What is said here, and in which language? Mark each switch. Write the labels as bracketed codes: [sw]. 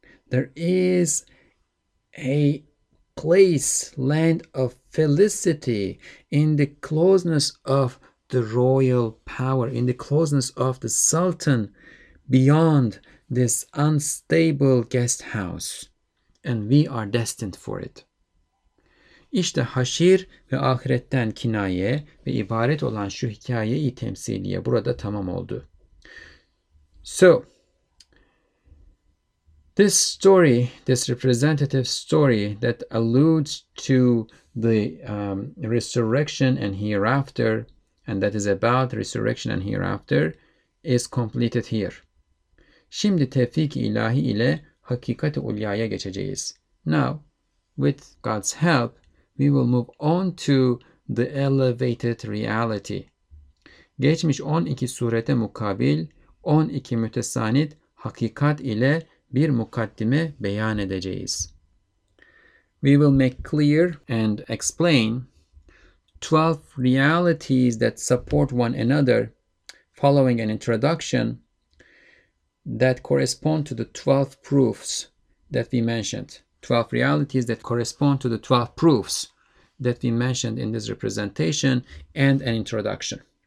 [en] there is a place, land of felicity, in the closeness of the royal power, in the closeness of the Sultan, beyond this unstable guest house, and we are destined for it. [tr] İşte haşir ve ahiretten kinaye ve ibaret olan şu hikaye-i temsiliye burada tamam oldu. [en] So, this story, this representative story that alludes to the resurrection and hereafter, and that is about resurrection and hereafter, is completed here. [tr] Şimdi tevfik-i ilahi ile hakikat-i ulyaya geçeceğiz. [en] Now, with God's help, we will move on to the elevated reality. [tr] Geçmiş 12 surete mukabil, 12 mütesanit hakikat ile bir mukaddime beyan edeceğiz. [en] We will make clear and explain 12 realities that support one another following an introduction that correspond to the 12 proofs that we mentioned. 12 realities that correspond to the 12 proofs that we mentioned in this representation and an introduction.